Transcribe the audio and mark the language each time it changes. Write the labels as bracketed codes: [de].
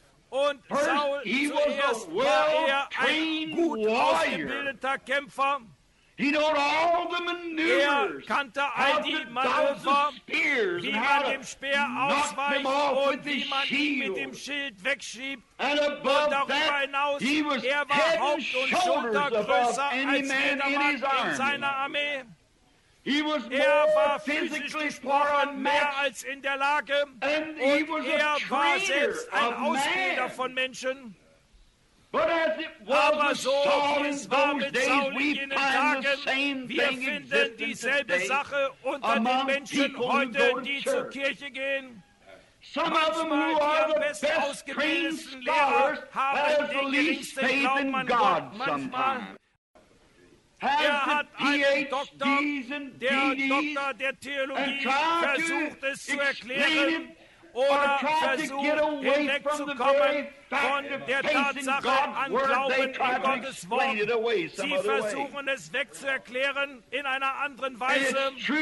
[de] Und Saul, zuerst war er ein gut ausgebildeter Kämpfer. [en] He knew all the maneuvers, how to dodge the spears, and how to knock them off with his shield. And above that, hinaus, he was head and shoulders above any man in his army. He was more physically for a match, and he was a trainer of men. But as it was so Saul in those days, we find the same thing existing today among people who go to church. Some of them who are the best trained scholars have the least faith in God sometimes. [de] Hat einen Doktor, der Doktor der Theologie, versucht es zu erklären, oder versucht hinwegzukommen von der Tatsache an Glauben in Gottes Wort. Sie versuchen es wegzuerklären in einer anderen Weise.